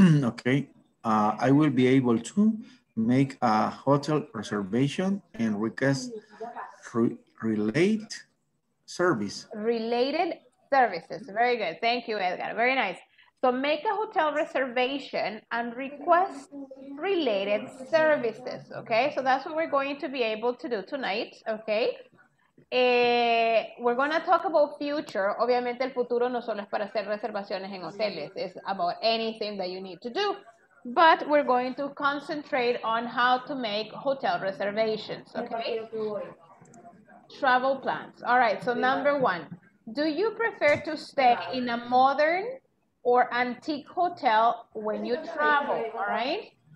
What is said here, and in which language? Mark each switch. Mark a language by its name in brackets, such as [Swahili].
[English] Okay, I will be able to make a hotel reservation and request related service. Related services, very good. Thank you, Edgar, very nice. So make a hotel reservation and request related services, okay? So that's what we're going to be able to do tonight, okay? We're going to talk about future. [Spanish] Obviamente el futuro no solo es para hacer reservaciones en hoteles. [English] It's about anything that you need to do. But we're going to concentrate on how to make hotel reservations, okay? Travel plans. All right, so number one, do you prefer to stay in a modern or antique hotel when you travel, all right?